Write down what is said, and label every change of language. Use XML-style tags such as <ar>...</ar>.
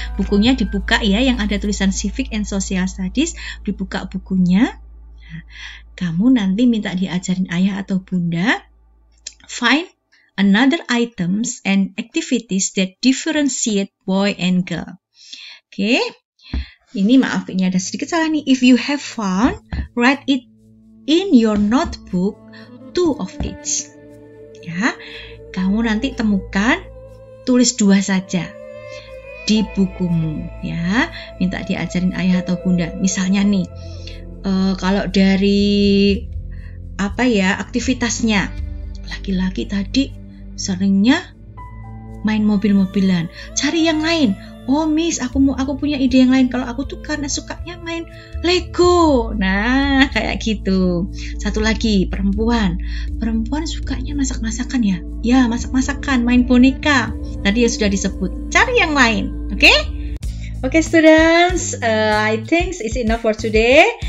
<id>Bukunya dibuka ya, yang ada tulisan Civic and Social Studies, dibuka bukunya. Kamu nanti minta diajarin ayah atau bunda,</id> <en>find another items and activities that differentiate boy and girl. Oke, okay.</en> <id>Ini maaf ini ada sedikit salah nih.</id> <en>If you have found, write it in your notebook, two of each.</en> <id>Ya, kamu nanti temukan, tulis dua saja di bukumu. Ya, minta diajarin ayah atau bunda. Misalnya nih. Kalau dari apa ya, aktivitasnya laki-laki tadi seringnya main mobil-mobilan, cari yang lain. Oh Miss, aku punya ide yang lain. Kalau aku tuh karena sukanya main Lego. Nah, kayak gitu. Satu lagi, perempuan sukanya masak-masakan ya. Ya, masak-masakan, main boneka. Tadi yang sudah disebut, cari yang lain.</id> <en>Oke? Okay? Okay, students, I think it's enough for today.</en>